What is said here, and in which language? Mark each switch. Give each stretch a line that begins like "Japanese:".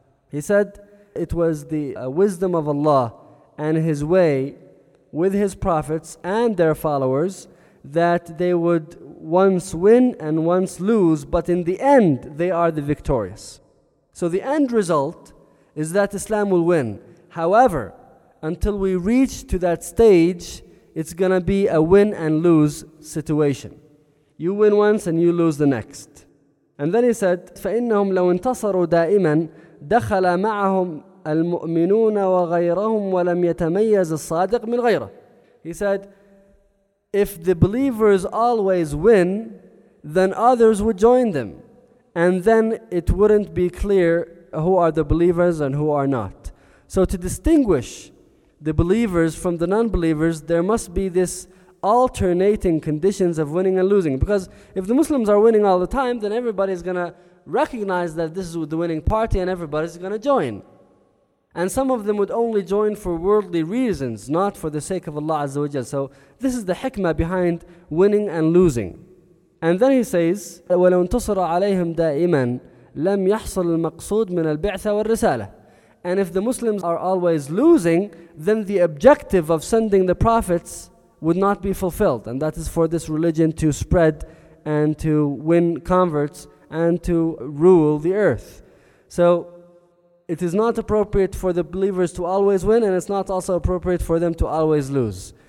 English: He said, it was the wisdom of Allah and His way with His prophets and their followers that they would once win and once lose, but in the end, they are the victorious. So the end result is that Islam will win. However, until we reach to that stage, it's going to be a win and lose situation. You win once and you lose the next. And then he said,
Arabic: فَإِنَّهُمْ لَوْ انتصروا دَائِمًا دَخَلَ مَعَهُمْ الْمُؤْمِنُونَ وَغَيْرَهُمْ وَلَمْ يَتَمَيَّزِ الصَّادِقِ مِنْ غَيْرَهُ.
English: He said, if the believers always win, then others would join them. And then it wouldn't be clear who are the believers and who are not. So to distinguish the believers from the non-believers, there must be this alternating conditions of winning and losing. Because if the Muslims are winning all the time, then everybody is going to recognize that this is the winning party and everybody is going to join. And some of them would only join for worldly reasons, not for the sake of Allah Azza wa Jalla. So this is the hikmah behind winning and losing. And then he says,
Arabic: وَلَوْ انتصر عَلَيْهِمْ دَائِمًا لَمْ يَحْصَلُ الْمَقْصُودُ مِنَ الْبِعْثَ وَالرِّسَالَةِ.
English: And if the Muslims are always losing, then the objective of sending the prophets would not be fulfilled. And that is for this religion to spread and to win converts and to rule the earth. So it is not appropriate for the believers to always win, and it's not also appropriate for them to always lose.